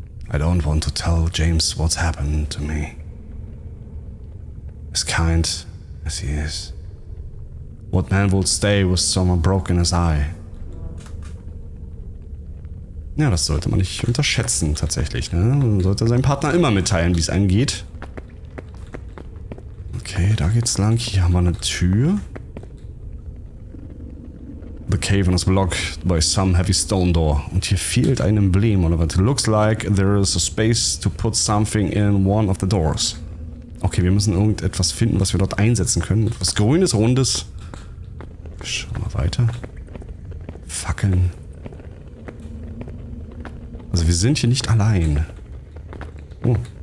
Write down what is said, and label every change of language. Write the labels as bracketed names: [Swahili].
[English] I don't want to tell James what's happened to me. As kind as he is, what man would stay with someone broken as I? [German] Ja, das sollte man nicht unterschätzen, tatsächlich. Ne? Man sollte seinem Partner immer mitteilen, wie es einem geht. Okay, da geht's lang. Hier haben wir eine Tür. [English] The cavern is blocked by some heavy stone door. [German] Und hier fehlt ein Emblem, oder was? [English] Looks like there is a space to put something in one of the doors. [German] Okay, wir müssen irgendetwas finden, was wir dort einsetzen können. Etwas Grünes, Rundes. Schauen wir weiter. Fackeln. Also wir sind hier nicht allein. Oh.